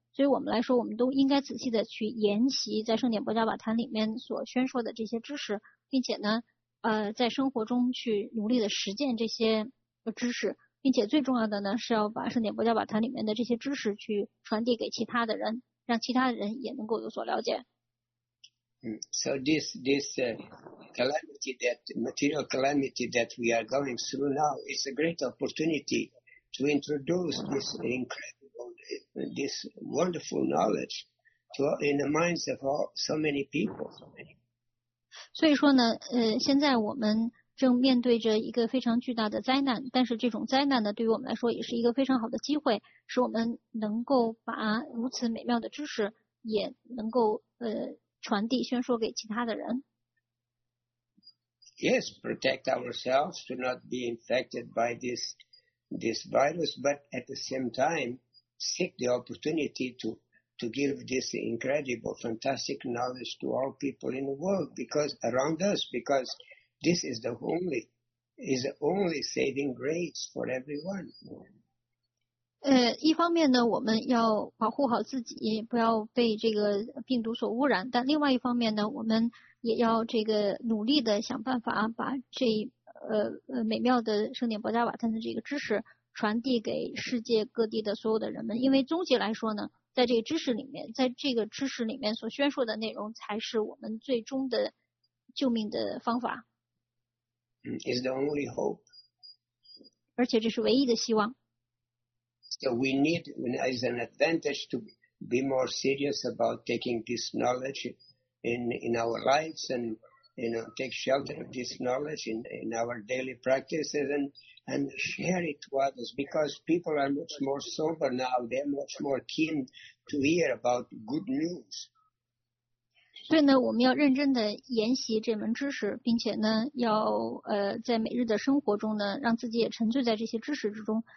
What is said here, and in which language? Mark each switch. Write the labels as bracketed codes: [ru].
[zh] 所以我们来说，我们都应该仔细的去研习在圣典薄伽瓦坛里面所宣说的这些知识，并且呢，在生活中去努力的实践这些知识，并且最重要的呢，是要把圣典薄伽瓦坛里面的这些知识去传递给其他的人，让其他的人也能够有所了解。 [en] So this calamity, that material calamity that we are going through now, is a great opportunity to introduce this incredible, this wonderful knowledge to in the minds of all, so many people. [zh] 所以说呢，现在我们正面对着一个非常巨大的灾难，但是这种灾难呢，对于我们来说也是一个非常好的机会，使我们能够把如此美妙的知识也能够传递宣说给其他的人。 [en] Yes, protect ourselves to not be infected by this virus, but at the same time seek the opportunity to give this incredible, fantastic knowledge to all people in the world, because around us, because this is the only saving grace for everyone. [zh] 一方面呢，我们要保护好自己，不要被这个病毒所污染，但另外一方面呢，我们也要这个努力的想办法把这美妙的圣典薄伽瓦坛的这个知识传递给世界各地的所有的人们，因为终极来说呢，在这个知识里面所宣说的内容才是我们最终的救命的方法。 [en] It's the only hope. [zh] 而且这是唯一的希望。 [en] So we need, as an advantage, to be more serious about taking this knowledge in our lives, and take shelter of this knowledge in our daily practices, and share it to others, because people are much more sober now, they are much more keen to hear about good news. [zh] 所以呢，我们要认真的研习这门知识，并且呢，要在每日的生活中呢，让自己也沉醉在这些知识之中。